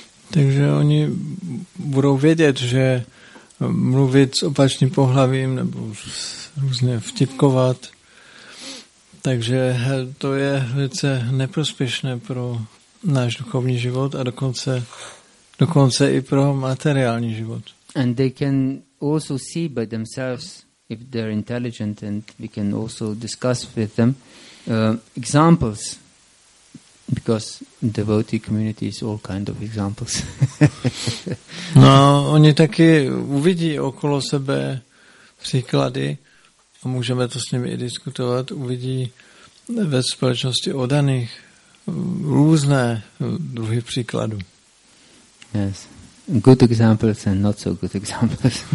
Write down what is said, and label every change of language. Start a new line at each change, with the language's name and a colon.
Czech: Takže oni budou vědět, že mluvit s opačným pohlavím nebo různě vtipkovat, takže to je velice neprospěšné pro náš duchovní život a dokonce i pro materiální život.
English: And they can also see by themselves, if they're intelligent, and we can also discuss with them examples. Because devotee community is all kind of examples.
Czech: No, oni taky uvidí okolo sebe příklady a můžeme to s nimi i diskutovat. Uvidí ve společnosti odaných různé druhy příkladů.
English: Yes, good examples and not so good examples.